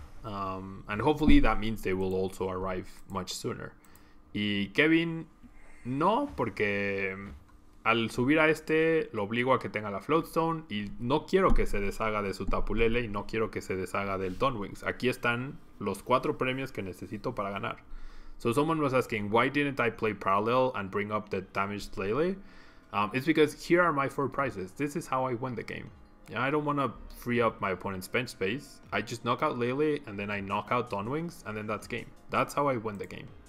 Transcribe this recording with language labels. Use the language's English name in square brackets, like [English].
[English] And hopefully that means they will also arrive much sooner. Kevin [Spanish] No, porque al subir a este lo obligo a que tenga la Floatstone y no quiero que se deshaga de su Tapulele y no quiero que se deshaga del Dawnwings. Aquí están los cuatro premios que necesito para ganar. [English] So someone was asking, why didn't I play Parallel and bring up the damaged Lele? It's because here are my four prizes. This is how I win the game. Yeah, I don't want to free up my opponent's bench space. I just knock out Lele and then I knock out Dawnwings and then that's game. That's how I win the game.